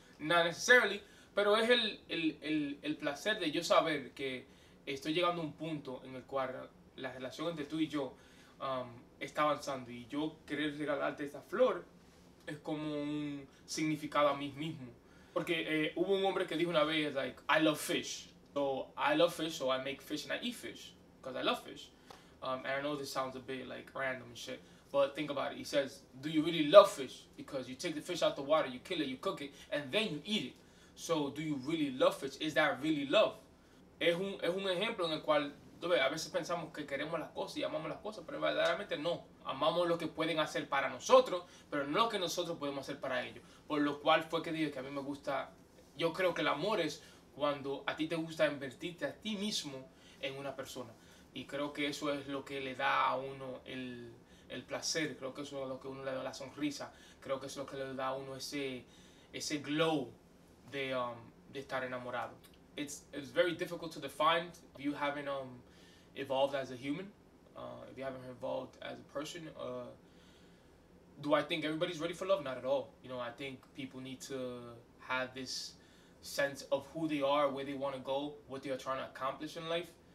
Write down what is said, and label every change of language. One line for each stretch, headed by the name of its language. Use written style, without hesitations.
Spanish: No necesariamente, pero es el placer de yo saber que estoy llegando a un punto en el cual la relación entre tú y yo está avanzando. Y yo querer regalarte esa flor es como un significado a mí mismo. Porque hubo un hombre que dijo una vez,
English: like, I love fish. So I love fish, so I make fish and I eat fish because I love fish. And I know this sounds a bit like random and shit, but think about it. He says, do you really love fish? Because you take the fish out the water, you kill it, you cook it, and then you eat it. So do you really love fish? Is that really love?
Spanish: Es un ejemplo en el cual a veces pensamos que queremos las cosas y amamos las cosas, pero verdaderamente no. Amamos lo que pueden hacer para nosotros, pero no lo que nosotros podemos hacer para ellos. Por lo cual fue que dije que a mí me gusta, yo creo que el amor es cuando a ti te gusta invertirte a ti mismo en una persona. Y creo que eso es lo que le da a uno el placer. Creo que eso es lo que uno le da la sonrisa. Creo que eso es lo que le da a uno ese glow de estar enamorado.
English: It's very difficult to define if you haven't evolved as a human. If you haven't evolved as a person. Do I think everybody's ready for love? Not at all. You know, I think people need to have this sense of who they are, where they want to go, what they are trying to accomplish in life.